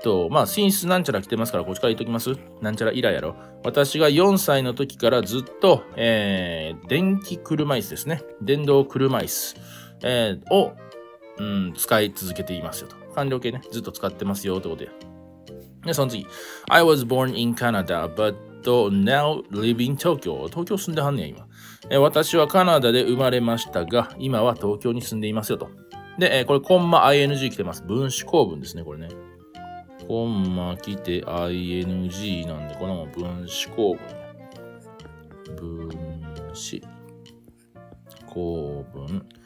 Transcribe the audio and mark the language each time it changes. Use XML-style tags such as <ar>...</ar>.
<ja>まあ、since なんちゃら来てますから、こっちから言っときます。なんちゃら以来やろ。私が4歳の時からずっと、電気車椅子ですね。電動車椅子、を、使い続けていますよと。完了形ね。ずっと使ってますよってことや。で、その次。</ja> <en>I was born in Canada, but now live in Tokyo.</en> <ja>東京住んではんねや、今。私はカナダで生まれましたが、今は東京に住んでいますよと。で、これ、コンマ ING 来てます。分子構文ですね、これね。コンマ来て ING なんで、これも分子構文。分子構文。</ja>